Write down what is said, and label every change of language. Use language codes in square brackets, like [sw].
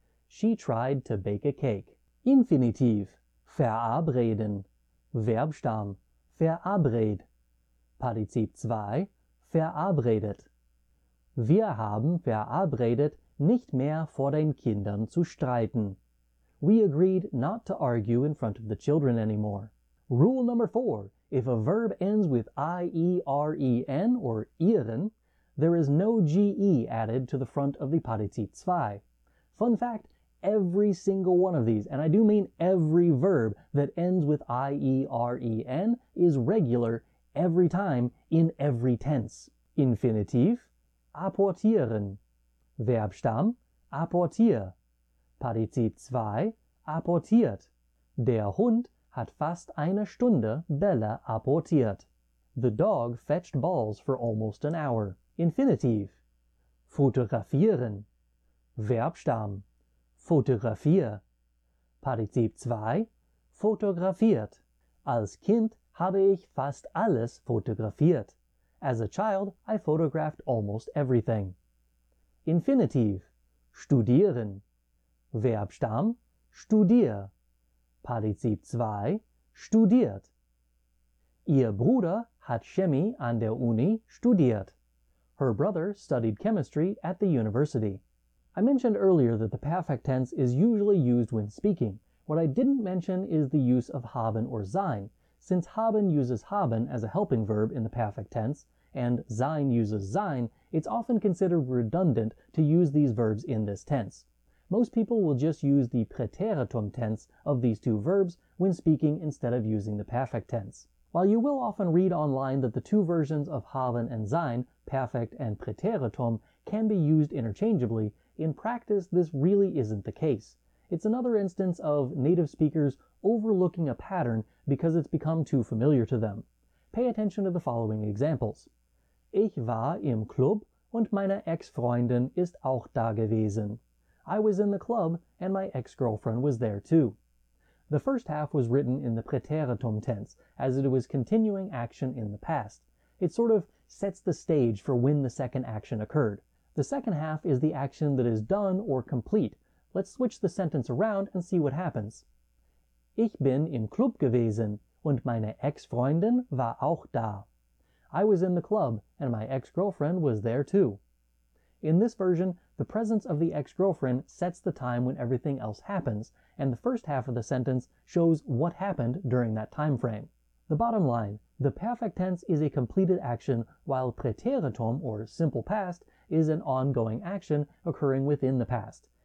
[en] She tried to bake a cake. Infinitive, verabreden. [de] Verbstamm, verabred. Partizip 2, verabredet. Wir haben verabredet, nicht mehr vor den Kindern zu streiten. [en] We agreed not to argue in front of the children anymore. Rule number four. If a verb ends with ieren or ihren, there is no ge added to the front of the Partizip 2. Fun fact, every single one of these, and I do mean every verb that ends with ieren, is regular every time in every tense. [de] Infinitive, apportieren. Verbstamm, apportier. Partizip 2, apportiert. Der Hund hat fast eine Stunde Bälle apportiert. [en] The dog fetched balls for almost an hour. [de] Infinitive, fotografieren. Verbstamm, fotografier. Partizip 2, fotografiert. Als Kind habe ich fast alles fotografiert. [en] As a child, I photographed almost everything. [de] Infinitiv, studieren. Verbstamm, studier. Partizip 2, studiert. Ihr Bruder hat Chemie an der Uni studiert. [en] Her brother studied chemistry at the university. I mentioned earlier that the perfect tense is usually used when speaking. What I didn't mention is the use of haben or sein. Since haben uses haben as a helping verb in the perfect tense, and sein uses sein, it's often considered redundant to use these verbs in this tense. Most people will just use the preteritum tense of these two verbs when speaking instead of using the perfect tense. While you will often read online that the two versions of haben and sein, perfect and preteritum, can be used interchangeably, in practice this really isn't the case. It's another instance of native speakers overlooking a pattern because it's become too familiar to them. Pay attention to the following examples. [de] Ich war im Club und meine Ex-Freundin ist auch da gewesen. [en] I was in the club and my ex-girlfriend was there too. The first half was written in the preteritum tense, as it was continuing action in the past. It sort of sets the stage for when the second action occurred. The second half is the action that is done or complete. Let's switch the sentence around and see what happens. [de] Ich bin im Club gewesen und meine Ex-Freundin war auch da. [en] I was in the club and my ex-girlfriend was there too. In this version, the presence of the ex-girlfriend sets the time when everything else happens, and the first half of the sentence shows what happened during that time frame. The bottom line, the perfect tense is a completed action, while preteritum, or simple past, is an ongoing action occurring within the past.